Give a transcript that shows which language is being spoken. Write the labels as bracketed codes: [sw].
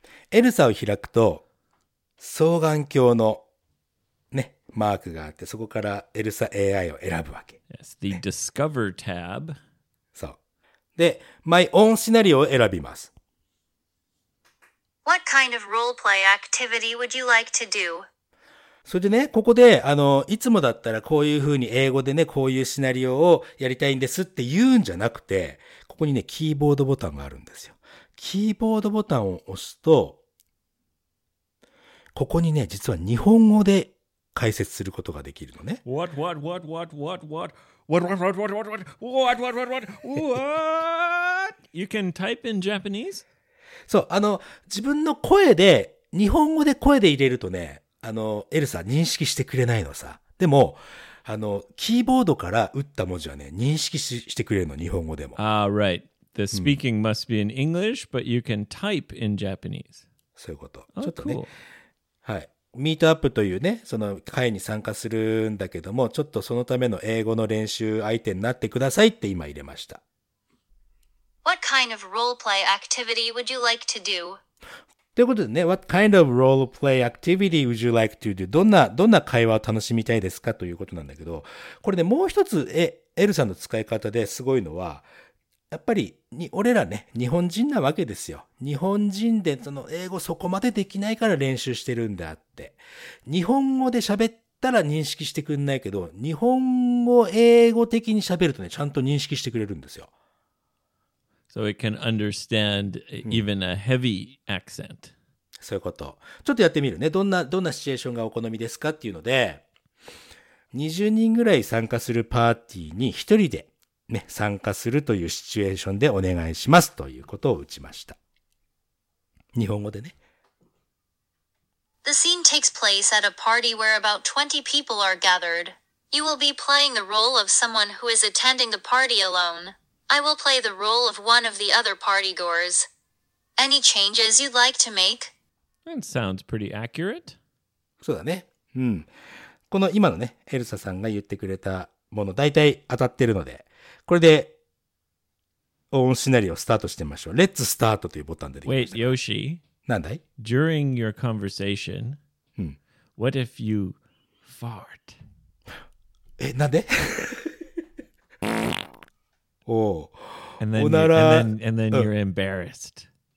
[ja] エルサを開くと、双眼鏡のね、マークがあって、そこからエルサ AI を選ぶわけ。 [en] Yes, the Discover tab. [ja] そう。で、my own scenario を選びます。 [en] What kind of role play activity would you like to do? [ja] それでね、ここで、いつもだったらこういうふうに英語でね、こういうシナリオをやりたいんですって言うんじゃなくて、ここにね、キーボードボタンがあるんですよ。キーボードボタンを押すと、ここにね、実は日本語で解説することができるのね。 [en] What, what, what, what, what, what, what, what, what, what, what, what, what, what, what, what, what, what, what, what, what, you can type in Japanese? [ja] そう、自分の声で、日本語で声で入れるとね、エルサ認識してくれないのさ。でも、キーボードから打った文字はね、認識 してくれるの、日本語でも。 [en] Ah, right. The speaking must be in English, but you can type in Japanese. [ja] そういうこと。 Oh, ちょっとね、cool. はい。ミートアップというね、その会に参加するんだけども、ちょっとそのための英語の練習相手になってくださいって今入れました。 [en] What kind of role play activity would you like to do? [ja] ということでね、 [en] What kind of role play activity would you like to do? [ja] どんな会話を楽しみたいですかということなんだけど、これね、もう一つ、エルさんの使い方ですごいのは、やっぱり、俺らね、日本人なわけですよ。日本人で、その英語そこまでできないから練習してるんであって。日本語で喋ったら認識してくんないけど、日本語、英語的に喋るとね、ちゃんと認識してくれるんですよ。 [en] So it can understand even a heavy accent. [ja] そういうこと。ちょっとやってみるね。どんなシチュエーションがお好みですかっていうので、20人ぐらい参加するパーティーに1人で、ね、参加するというシチュエーションでお願いしますということを打ちました。日本語でね。 [en] The scene takes place at a party where about 20 people are gathered. You will be playing the role of someone who is attending the party alone. I will play the role of one of the other partygoers. Any changes you'd like to make? That sounds pretty accurate. [ja] そうだね。うん。この今のね、エルサさんが言ってくれたもの、大体当たってるので、これで、オンシナリオスタートしてみましょう。 Let's start というボタン出てきました。 [en] Wait, Yoshi. [ja] なんだい? [en] During your conversation,、 [ja] うん、 [en] what if you fart? [ja] え、なんで? [en] And then you're embarrassed.